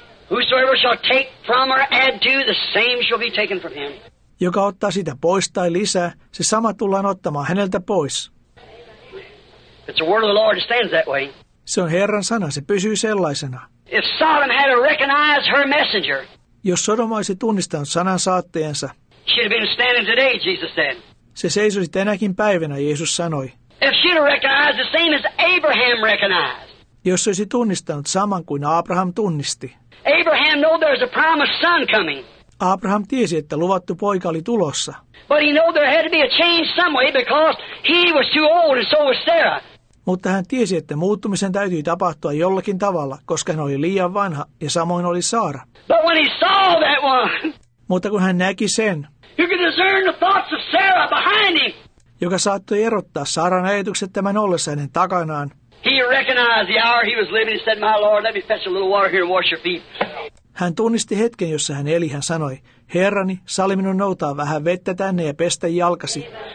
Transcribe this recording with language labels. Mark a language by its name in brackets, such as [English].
[English] Whosoever shall take from or add to, the same shall be taken from him. [Finnish] Joka ottaa sitä pois tai lisää, se sama tullaan ottamaan häneltä pois. [English] It's the word of the Lord that stands that way. [Finnish] Se on Herran sana, se pysyy sellaisena. [English] If Sodom had to recognize her messenger, [Finnish] jos Sodoma olisi tunnistanut sanan saatteensa, [English] she'd have been standing today, Jesus said. [Finnish] Se seisoisi tänäkin päivänä, Jeesus sanoi. [English] If she'd have recognized the same as Abraham recognized, [Finnish] jos olisi tunnistanut saman kuin Abraham tunnisti. [English] Abraham knew there's a promised son coming. [Finnish] Abraham tiesi, että luvattu poika oli tulossa. [English] But he knew there had to be a change somewhere because he was too old and so was Sarah. [Finnish] Mutta hän tiesi, että muuttumisen täytyi tapahtua jollakin tavalla, koska hän oli liian vanha ja samoin oli Saara. [English] But when he saw that one, [Finnish] mutta kun hän näki sen, [English] you can discern the thoughts of Sarah behind him, [Finnish] joka saattoi erottaa Saaran ajatukset tämän ollessa hänen takanaan. [English] He recognized the hour he was living and said, "My Lord, let me fetch a little water here and wash your feet." [Finnish] Hän tunnisti hetken, jossa hän eli. Hän sanoi, "Herrani, salli minun noutaa vähän vettä tänne ja pestä jalkasi."